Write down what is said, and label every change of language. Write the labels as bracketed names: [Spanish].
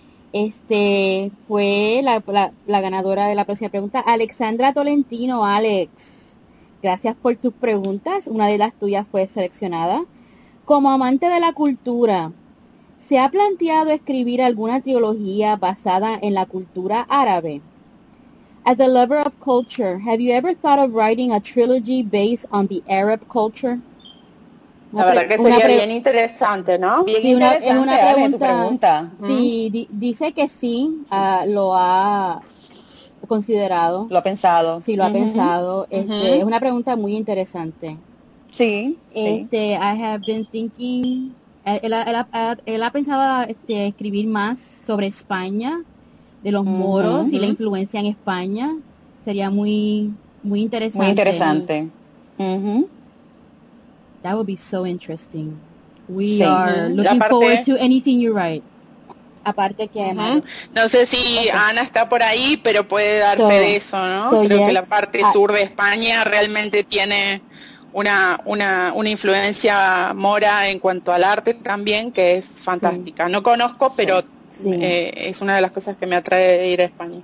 [Spanish] Fue la ganadora de la próxima pregunta, Alexandra Tolentino. Alex, gracias por tus preguntas. Una de las tuyas fue seleccionada. Como amante de la cultura, ¿se ha planteado escribir alguna trilogía basada en la cultura árabe? [English] As a lover of culture, have you ever thought of writing a trilogy based on the Arab culture? [Spanish] La verdad que sería bien interesante, ¿no? Bien interesante, es una pregunta. Sí, dice que sí, lo ha considerado. Lo ha pensado. Sí, lo ha pensado. Es una pregunta muy interesante. Sí. [English] I have been thinking, él ha pensado escribir más sobre España, de los moros y la influencia en España. [Spanish] Sería muy, muy interesante. Muy interesante. [English] That would be so interesting. We are looking forward to anything you write. [Spanish] Aparte que no sé si Ana está por ahí, pero puede dar fe de eso, ¿no? Creo que la parte sur de España realmente tiene una influencia mora en cuanto al arte también, que es fantástica. Sí. No conozco, pero es una de las cosas que me atrae de ir a España.